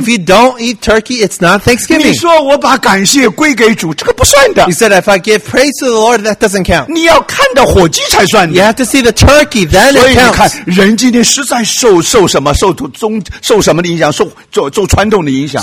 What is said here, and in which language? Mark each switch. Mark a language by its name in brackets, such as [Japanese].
[English] If you don't eat turkey, it's not Thanksgiving. [Chinese] 你说我把感谢归给主，这个不算的。 [English] You said if I give praise to the Lord, that doesn't count. [Chinese] 你要看到火鸡才算的。 [English] You have to see the turkey, then it counts. [Chinese] 所以你看，人今天实在受什么，受宗，受什么的影响，受传统的影响。